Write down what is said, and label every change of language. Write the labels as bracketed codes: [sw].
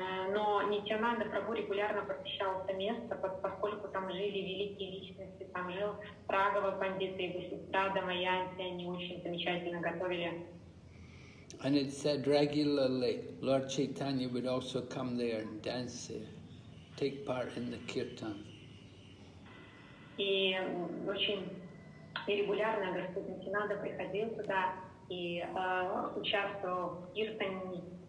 [ru] Но Нитьянанда Прабху регулярно посещал это место, поскольку там жили великие личности, там жил Прагава Пандита и Васистрада Маянти, они очень замечательно готовили. [en] And it said regularly, Lord Chaitanya would also come there and dance there, take part in the kirtan. [ru] И очень регулярно Господь Нитьянанда приходил туда и участвовал в киртане.